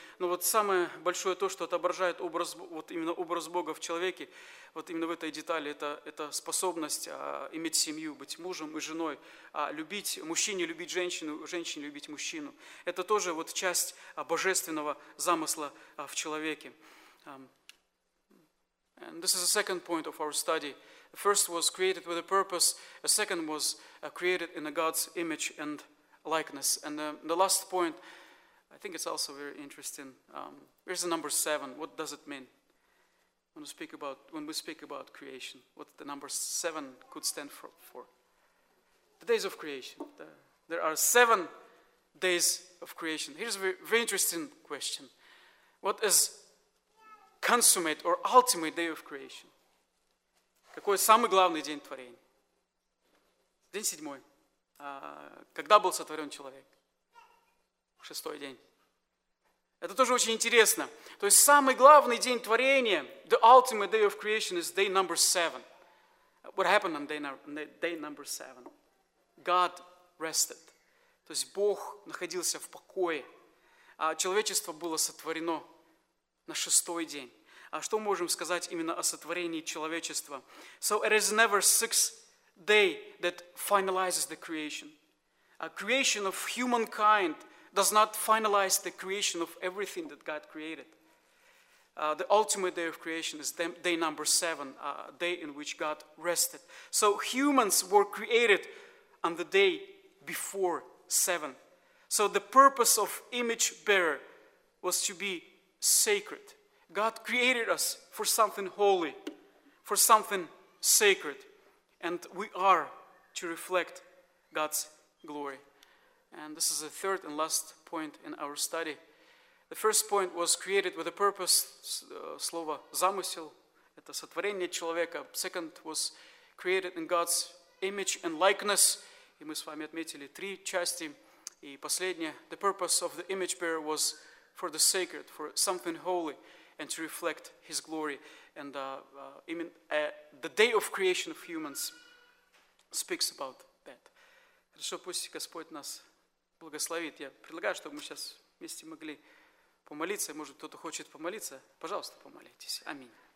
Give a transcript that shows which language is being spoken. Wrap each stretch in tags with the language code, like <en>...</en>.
<ru>Но вот самое большое то, что отображает образ, вот именно образ Бога в человеке, вот именно в этой детали, это способность иметь семью, быть мужем и женой, любить мужчине, любить женщину, женщине любить мужчину. Это тоже вот часть божественного замысла в человеке.</ru> <en>And this is the second point of our study. The first was created with a purpose, a second was created in a God's image and likeness. And the last point, I think it's also very interesting. Here's the number 7. What does it mean when we speak about creation? What the number 7 could stand for? The days of creation. There are 7 days of creation. Here's a very, very interesting question. What is consummate or ultimate day of creation?</en> <ru>Какой самый главный день творения? День 7. Когда был сотворен человек? 6-й день. Это тоже очень интересно. То есть самый главный день творения,</ru> <en>the ultimate day of creation is day number seven. What happened on day number seven? God rested.</en> <ru>То есть Бог находился в покое. А человечество было сотворено на шестой день. А что мы можем сказать именно о сотворении человечества?</ru> <en>So it is never sixth day that finalizes the creation. A creation of humankind does not finalize the creation of everything that God created. The ultimate day of creation is day number seven, a day in which God rested. So humans were created on the day before seven. So the purpose of image bearer was to be sacred. God created us for something holy, for something sacred, and we are to reflect God's glory. And this is the third and last point in our study. The first point was created with a purpose,</en> <ru>слово замысел, это сотворение человека.</ru> <en>Second was created in God's image and likeness.</en> <ru>И мы с вами отметили три части. И последнее,</ru> <en>the purpose of the image bearer was for the sacred, for something holy, and to reflect His glory. And the day of creation of humans speaks about that.</en> <ru>Хорошо, пусть Господь нас благословит. Я предлагаю, чтобы мы сейчас вместе могли помолиться. Может, кто-то хочет помолиться? Пожалуйста, помолитесь. Аминь.</ru>